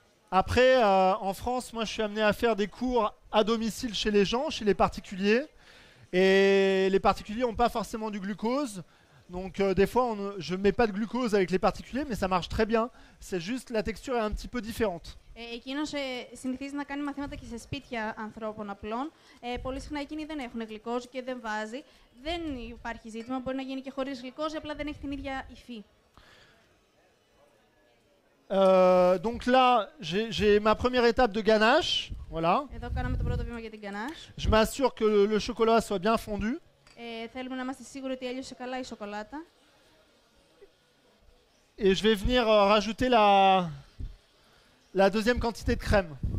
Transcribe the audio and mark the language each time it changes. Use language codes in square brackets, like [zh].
[fr] Après, en France, moi, je suis amené à faire des cours à domicile chez les gens, chez les particuliers. Et les particuliers n'ont pas forcément du glucose. Donc des fois, je ne mets pas de glucose avec les particuliers, mais ça marche très bien. C'est juste la texture est un petit peu différente. [el] Εκείνος συνηθίζει να κάνει μαθήματα και σε σπίτια ανθρώπων απλών. Πολύ συχνά εκείνοι δεν έχουν γλυκόζι και δεν βάζει. Δεν υπάρχει ζήτημα, μπορεί να γίνει και χωρίς γλυκόζι, απλά δεν έχει την ίδια υφή. [fr] Donc là, j'ai ma première étape de ganache. Voilà. [el] Εδώ κάναμε το πρώτο βήμα για την ganache. [fr] Je m'assure que le chocolat soit bien fondu. [el] Θέλουμε να είμαστε σίγουροι ότι έλειωσε καλά η σοκολάτα. [fr] Et je vais venir rajouter la deuxième quantité de crème.